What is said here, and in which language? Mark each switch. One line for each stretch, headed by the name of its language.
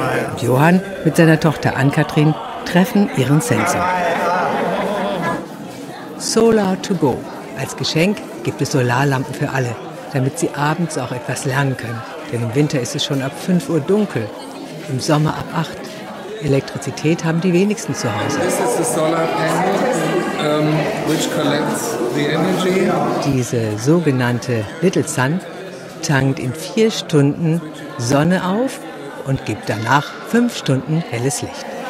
German: Und Johann mit seiner Tochter Ann-Kathrin treffen ihren Sensor. Solar to go. Als Geschenk gibt es Solarlampen für alle, damit sie abends auch etwas lernen können. Denn im Winter ist es schon ab 5 Uhr dunkel. Im Sommer ab 8. Elektrizität haben die wenigsten zu Hause.
English: This is the solar panel, which collects the energy.
German: Diese sogenannte Little Sun tankt in 4 Stunden Sonne auf und gibt danach 5 Stunden helles Licht.